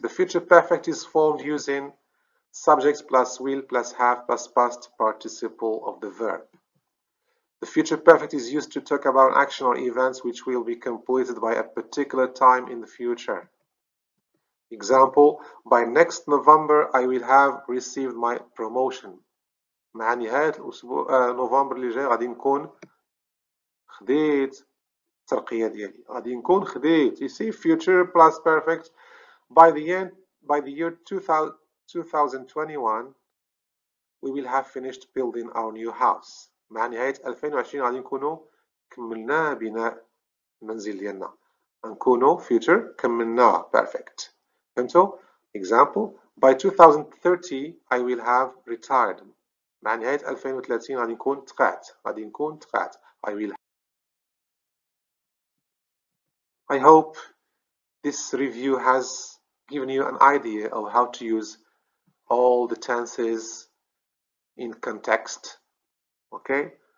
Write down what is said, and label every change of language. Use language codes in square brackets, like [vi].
[en] The future perfect is formed using subject plus will plus have plus past participle of the verb. The future perfect is used to talk about action or events which will be completed by a particular time in the future. Example, by next November I will have received my promotion. [ar] مع نهاية نوفمبر اللي جاي غادي نكون خديت الترقية ديالي. غادي نكون خديت. [en] You see, future plus perfect. By the year 2021, we will have finished building our new house. [ar] مع نهاية 2020 غادي نكونوا كملنا بناء المنزل ديالنا. نكونوا [en] future [ar] كملنا [en] perfect. [ar] فهمتوا؟ [en] Example, by 2030, I will have retired. [ar] مع نهاية 2030 غادي نكون تقعت. غادي نكون تقعت. [en] I will have. I hope this review has given you an idea of how to use all the tenses in context. Okay?